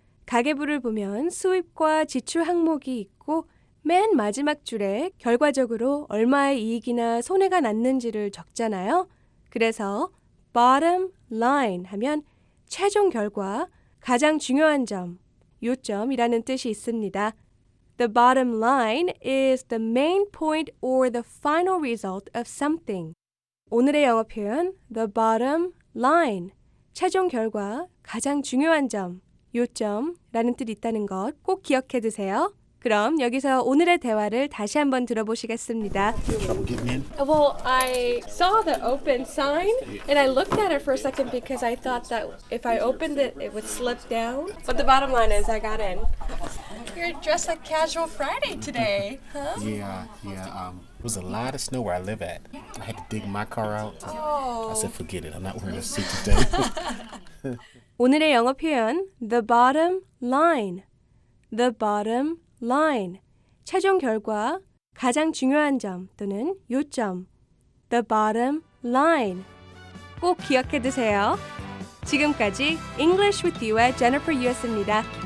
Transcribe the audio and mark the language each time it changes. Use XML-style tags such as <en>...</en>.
<ko>가계부를 보면 수입과 지출 항목이 있고 맨 마지막 줄에 결과적으로 얼마의 이익이나 손해가 났는지를 적잖아요. 그래서 bottom line 하면 최종 결과, 가장 중요한 점, 요점이라는 뜻이 있습니다.</ko> <en>The bottom line is the main point or the final result of something.</en> <ko>오늘의 영어 표현, the bottom line, 최종 결과, 가장 중요한 점, 요점이라는 뜻이 있다는 것 꼭 기억해 두세요. 그럼 여기서 오늘의 대화를 다시 한번 들어보시겠습니다.</ko> <en>Well, I saw the open sign and I looked at it for a second because I thought that if I opened it, it would slip down. But the bottom line is I got in. You're dressed like casual Friday today, huh? Yeah. It was a lot of snow where I live at. I had to dig my car out. Oh. I said, forget it. I'm not wearing a suit today.</en> <ko>오늘의 영어 표현,</ko> <en>the bottom line. The bottom line.</en> <ko>line, 최종 결과, 가장 중요한 점 또는 요점, the bottom line. 꼭 기억해 두세요. 지금까지 English with You의 Jennifer Yu였습니다.</ko>